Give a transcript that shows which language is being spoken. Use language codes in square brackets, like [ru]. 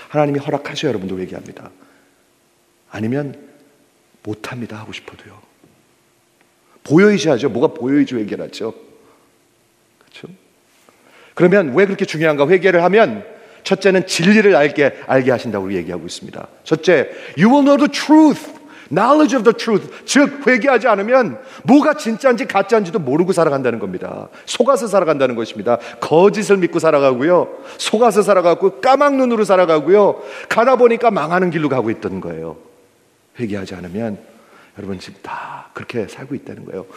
[ko] 하나님이 허락하셔야 여러분도 회개합니다. 아니면 못합니다 하고 싶어도요. 보여주셔야죠. 뭐가 보여주죠? 회개를 하죠. 그렇죠? 그러면 왜 그렇게 중요한가? 회개를 하면 첫째는 진리를 알게 하신다고 얘기하고 있습니다. 첫째, [en] You will know the truth. Knowledge of the truth. [ko] 즉, 회개하지 않으면 뭐가 진짜인지 가짜인지도 모르고 살아간다는 겁니다. 속아서 살아간다는 것입니다. 거짓을 믿고 살아가고요. 속아서 살아가고 까막눈으로 살아가고요. 가다 보니까 망하는 길로 가고 있던 거예요. 회개하지 않으면 여러분 지금 다 그렇게 살고 있다는 거예요.